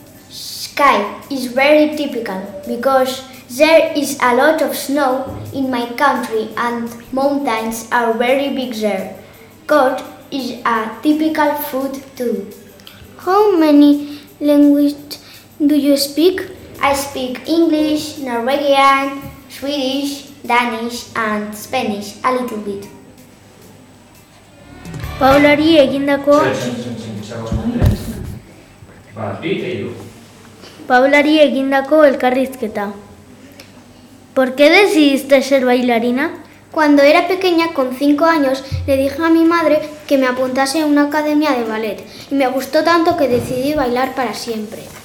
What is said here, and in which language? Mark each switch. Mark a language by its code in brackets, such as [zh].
[en] Sky is very typical because there is a lot of snow in my country and mountains are very big there. Cod is a typical food too. How many languages do you speak? I speak English, Norwegian, Swedish, Danish and Spanish a little bit. [eu] Paulari egindako elkarrizketa. [es] ¿Por qué decidiste ser bailarina? Cuando era pequeña, con 5 años, le dije a mi madre que me apuntase a una academia de ballet y me gustó tanto que decidí bailar para siempre.